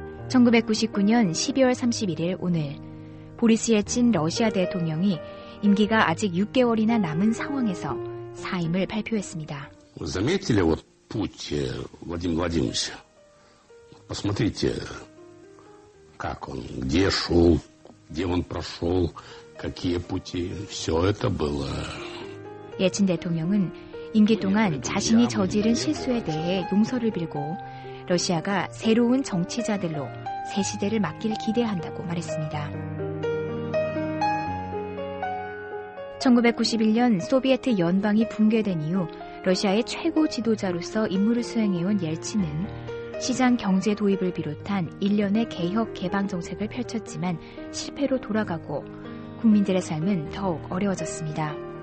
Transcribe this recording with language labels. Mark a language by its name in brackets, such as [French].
[Korean] 1999년 12월 31일 오늘 보리스 예친 러시아 대통령이 임기가 아직 6개월이나 남은 상황에서 사임을 발표했습니다. [Russian] Вы заметили вот путь Владимира Владимировича? Посмотрите, как он, где шел, где он прошел, какие пути. Все это было. [Korean] 예친 대통령은 임기 동안 자신이 저지른 실수에 대해 용서를 빌고 러시아가 새로운 정치자들로 새 시대를 맞길 기대한다고 말했습니다. 1991년 소비에트 연방이 붕괴된 이후 러시아의 최고 지도자로서 임무를 수행해온 옐친은 시장 경제 도입을 비롯한 일련의 개혁 개방 정책을 펼쳤지만 실패로 돌아가고 국민들의 삶은 더욱 어려워졌습니다.